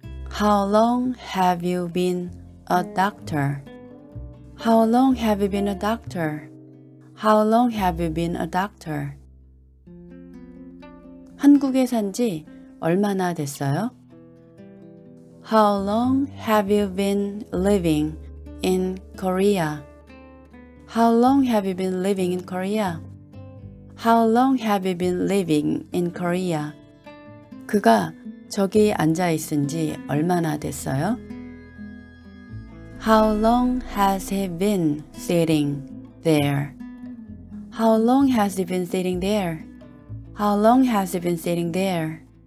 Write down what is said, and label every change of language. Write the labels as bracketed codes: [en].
[en] How long have you been a doctor? How long have you been a doctor? How long have you been a doctor? [ko] 한국에 산 지 얼마나 됐어요? [en] How long have you been living in Korea? How long have you been living in Korea? How long have you been living in Korea? [ko] 그가 저기 앉아 있은 지 얼마나 됐어요? [en] How long has he been sitting there? How long has he been sitting there? How long has he been sitting there?